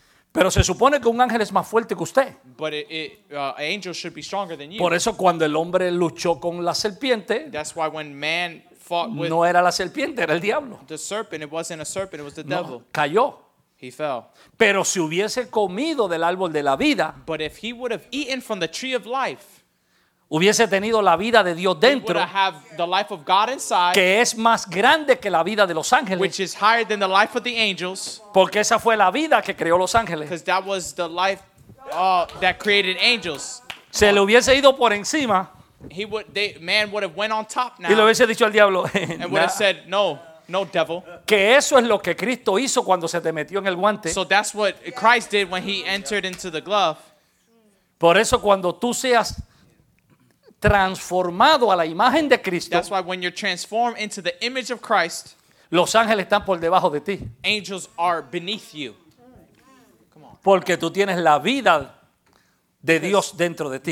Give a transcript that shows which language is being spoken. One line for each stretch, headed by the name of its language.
Spanish: Pero se supone que un ángel es más fuerte que usted.
English: But an angel should be stronger than you.
Spanish: Por eso cuando el hombre luchó con la serpiente.
English: That's why when man fought with.
Spanish: No era la serpiente, era el diablo.
English: The serpent, it wasn't a serpent, it was the devil.
Spanish: No, cayó.
English: He fell.
Spanish: Pero si hubiese comido del árbol de la vida,
English: but if he would have eaten from the tree of life,
Spanish: hubiese tenido la vida de Dios dentro,
English: inside,
Spanish: que es más grande que la vida de los ángeles,
English: which is higher than the life of the angels,
Spanish: porque esa fue la vida que creó los ángeles.
English: Because that was the life that created angels.
Spanish: Se le hubiese ido por encima.
English: He would, they, man would have went on top now.
Spanish: Y le hubiese dicho al diablo,
English: and would have said, no, no devil.
Spanish: Que eso es lo que Cristo hizo cuando se te metió en el guante.
English: So that's what Christ did when he entered into the glove.
Spanish: Por eso cuando tú seas transformado a la imagen de Cristo,
English: that's why when you're transformed into the image of Christ,
Spanish: los ángeles están por debajo de ti.
English: Angels are beneath you. Come on.
Spanish: Porque tú tienes la vida de Dios dentro de ti.